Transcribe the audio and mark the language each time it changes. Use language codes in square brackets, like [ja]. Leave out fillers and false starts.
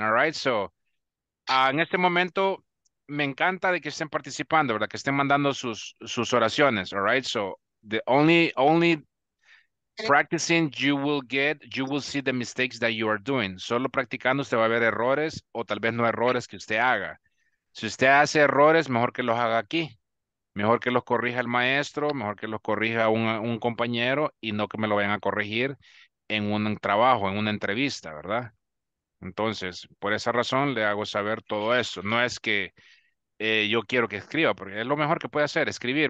[en] All right, so [es] en este momento me encanta de que estén participando, ¿verdad? Que estén mandando sus oraciones, [en] all right? So the only practicing, you will see the mistakes that you are doing. [es] Solo practicando usted va a ver errores o tal vez no errores que usted haga. Si usted hace errores, mejor que los haga aquí. Mejor que los corrija el maestro, mejor que los corrija un compañero y no que me lo vayan a corregir en un trabajo, en una entrevista, ¿verdad? Entonces, por esa razón le hago saber todo eso. No es que yo quiero que escriba, porque es lo mejor que puede hacer, escribir.